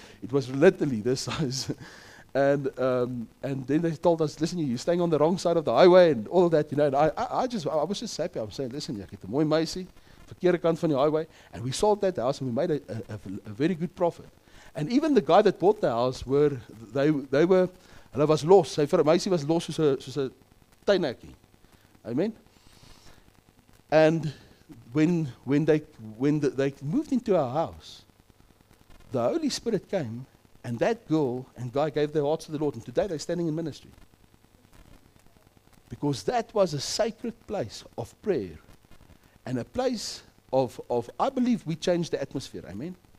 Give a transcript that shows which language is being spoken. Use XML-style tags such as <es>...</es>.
<en>It was literally this size. And then they told us, listen, you're staying on the wrong side of the highway and all of that. You know, and I was just happy. I was saying, listen,</en> <af>ek het 'n mooi meisie, verkeerde kant van die highway.</af> <en>And we sold that house and we made a very good profit. And even the guy that bought the house,</en> <af>hulle was los. Sy meisie was los soos 'n tuinhekkie.</af> <en>Amen. And when they moved into our house, the Holy Spirit came, and that girl and guy gave their hearts to the Lord, and today they're standing in ministry. Because that was a sacred place of prayer, and a place of I believe we changed the atmosphere, amen?</en>